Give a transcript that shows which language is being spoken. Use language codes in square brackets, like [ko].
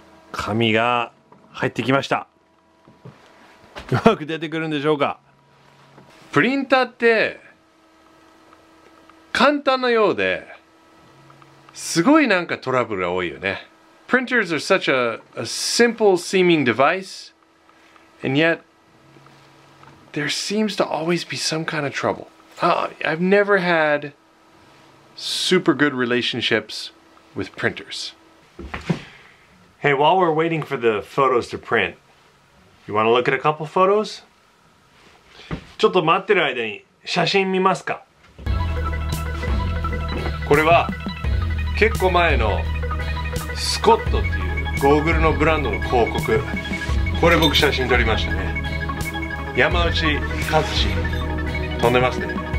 [ja] 紙が入ってきました。うまく出てくるんでしょうか。プリンターって簡単なようで、すごいなんかトラブルが多いよね。 [en] Printers are such a simple seeming device, and yet there seems to always be some kind of trouble. I've never had super good relationships. With printers. Hey, while we're waiting for the photos to print, you want to look at a couple photos? [ja] ちょっと待ってる間に写真見ますか。これは結構前のスコットっていうゴーグルのブランドの広告。これ僕写真撮りましたね。山内和志飛んでますね。